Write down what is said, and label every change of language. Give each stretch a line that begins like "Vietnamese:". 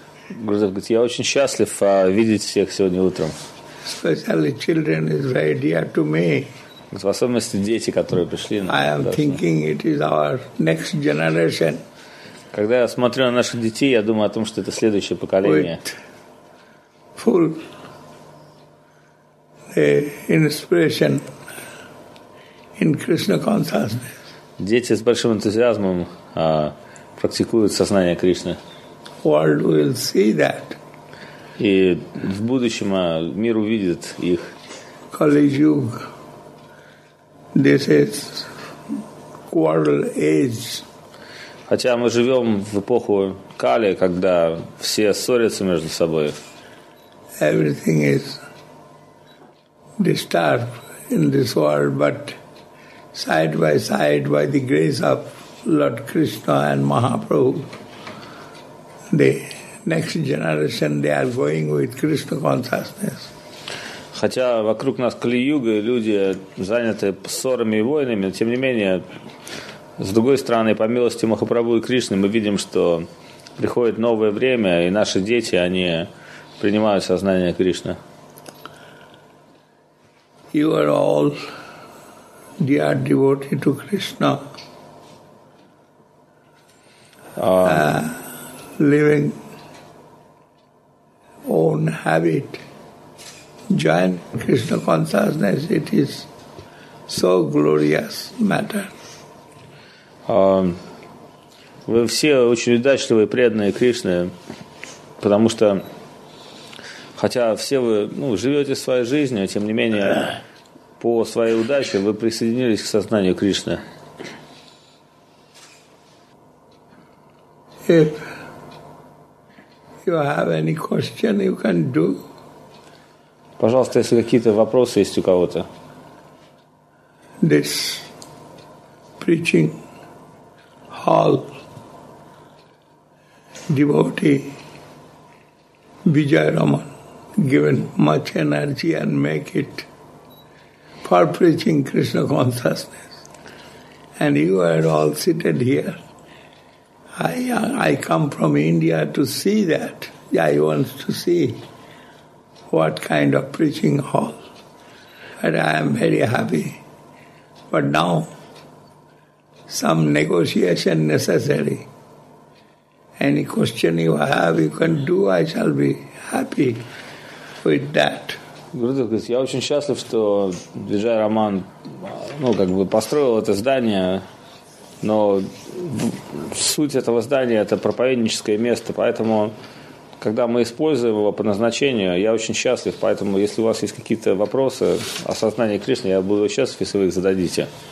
Russian: Гурдев говорит, я очень счастлив видеть всех сегодня утром.
English: Especially children is very dear to me.
Russian: В особенности дети, которые пришли.
English: I am thinking it is our next generation.
Russian: Когда я смотрю на наших детей, я думаю о том, что это следующее поколение.
English: With full inspiration in Krishna consciousness.
Russian: Дети с большим энтузиазмом практикуют сознание Кришны.
English: World will see that.
Russian: И в будущем мир увидит их.
English: Kali-yuga. This is quarrel age.
Russian: Хотя мы живем в эпоху Кали, когда все ссорятся между собой.
English: Everything is disturbed in this world, but side by the grace of Lord Krishna and Mahaprabhu, the next generation, they are going with Krishna consciousness.
Russian: Хотя вокруг нас Кали-юга, и люди заняты ссорами и войнами, но тем не менее, с другой стороны, по милости Махапрабху и Кришны, мы видим, что приходит новое время, и наши дети, они принимают сознание Кришны.
English: You are all dear devotee to Krishna. Living own habit. Join Krishna consciousness, it is so glorious matter.
Russian: Вы все очень удачливые и преданные Кришны, потому что хотя все вы живете своей жизнью, тем не менее, по своей удаче вы присоединились к сознанию Кришны.
English: If you have any question, you can do.
Russian: Пожалуйста, если какие-то вопросы есть у кого-то.
English: This preaching hall devotee Vijay Raman given much energy and make it for preaching Krishna consciousness. And you are all seated here. I come from India to see that. I want to see what kind of preaching hall. But I am very happy. But now, some negotiation necessary. Any question you have, you can do, I shall be happy with that.
Russian: Гурдев говорит, я очень счастлив, что Виджай Роман построил это здание, но суть этого здания — это проповедническое место, поэтому когда мы используем его по назначению, я очень счастлив. Поэтому, если у вас есть какие-то вопросы о сознании Кришны, я буду счастлив, если вы их зададите.